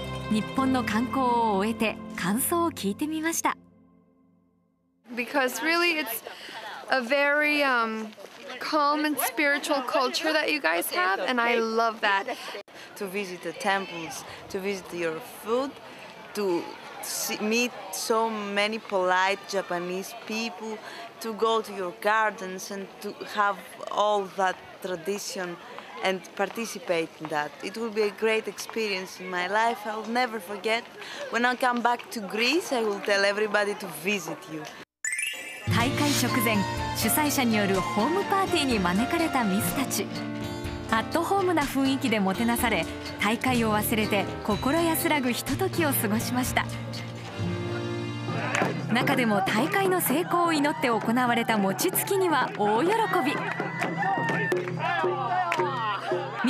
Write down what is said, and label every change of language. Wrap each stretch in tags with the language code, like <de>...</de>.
<ja>日本の観光を終えて感想を聞いてみました。</ja> <en>Because really it's a very calm and spiritual culture that you guys have and I love that. To visit the temples, to visit your foodTo see, meet so many polite Japanese people, to go to your gardens and to have all that tradition and participate in that. It will be a great experience in my life. I'll never forget. When I come back to Greece, I will tell everybody to visit you.</en> <ja>大会直前、主催者によるホームパーティーに招かれたミスたち。アットホームな雰囲気でもてなされ、大会を忘れて心安らぐひとときを過ごしました。中でも大会の成功を祈って行われた餅つきには大喜び。</ja>